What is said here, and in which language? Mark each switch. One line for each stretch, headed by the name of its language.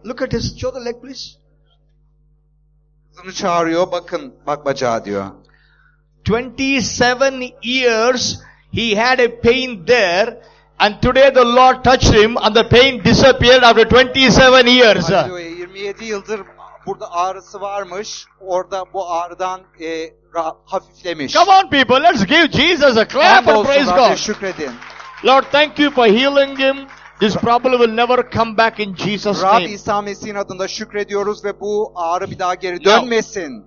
English: Look at his shoulder leg, please.
Turkish: Bunu çağırıyor. Bakın, bak bacağı diyor.
English: 27 years he had a pain there, and today the Lord touched him, and the pain disappeared after 27 years.
Turkish: 27 yıldır burada ağrısı varmış, orada bu ağrıdan hafiflemiş.
English: Come on people, let's give Jesus a clap and praise God.
Turkish: Şükredin.
English: Lord, thank you for healing him. This problem will never come back in Jesus' name.
Turkish: Rab İsa Mesih'in adında şükrediyoruz ve bu ağrı bir daha geri dönmesin.